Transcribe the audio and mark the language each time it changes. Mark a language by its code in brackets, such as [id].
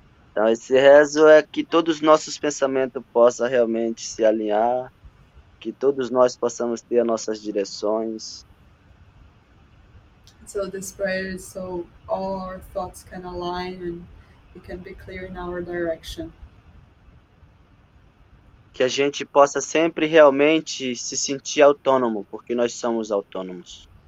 [pt] Então, esse rezo é que todos os nossos pensamentos possam realmente se alinhar, que todos nós possamos ter as nossas direções. [en] So this prayer is so all our thoughts can align and we can be clear in our direction. [pt] Que a gente possa sempre realmente se sentir autônomo, porque nós somos autônomos.